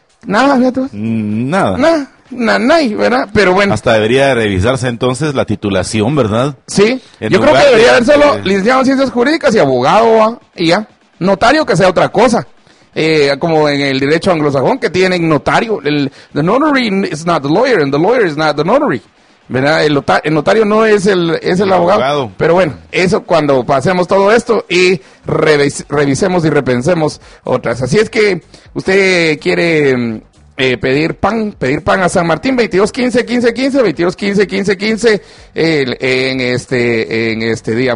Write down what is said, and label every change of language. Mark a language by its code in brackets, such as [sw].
[es] Nada, fíjate. Nada. ¿Verdad? Pero bueno. Hasta debería revisarse entonces la titulación, ¿verdad? Sí. Yo creo que debería haber solo licenciado en ciencias jurídicas y abogado, y ya. Notario, que sea otra cosa. Como en el derecho anglosajón, que tienen notario. [en] The notary is not the lawyer, and the lawyer is not the notary. [es] ¿Verdad? El notario no es el abogado. Abogado. Pero bueno, eso cuando pasemos todo esto y revisemos y repensemos otras. Así es que usted quiere pedir pan a San Martín, 2215-1515, en este día.